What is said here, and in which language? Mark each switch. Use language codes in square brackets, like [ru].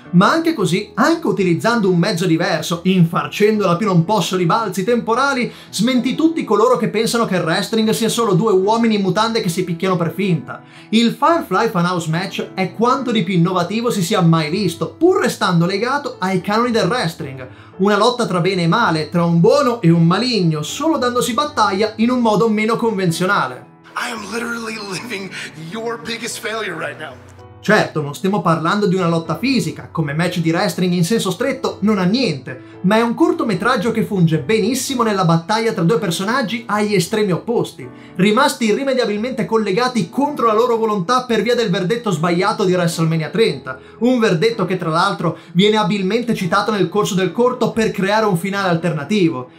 [it] Ma anche così, anche utilizzando un mezzo diverso, infarcendola più non posso di balzi temporali, smentì tutti coloro che pensano che il wrestling sia solo due uomini in mutande che si picchiano per finta. Il Firefly Funhouse Match è quanto di più innovativo si sia mai visto, pur restando legato ai canoni del wrestling. Una lotta tra bene e male, tra un buono e un maligno, solo dandosi battaglia in un modo meno convenzionale. [en] I am literally living your biggest failure right now. [it] Certo, non stiamo parlando di una lotta fisica, come match di wrestling in senso stretto non ha niente, ma è un cortometraggio che funge benissimo nella battaglia tra due personaggi agli estremi opposti, rimasti irrimediabilmente collegati contro la loro volontà per via del verdetto sbagliato di WrestleMania 30, un verdetto che tra l'altro viene abilmente citato nel corso del corto per creare un finale alternativo.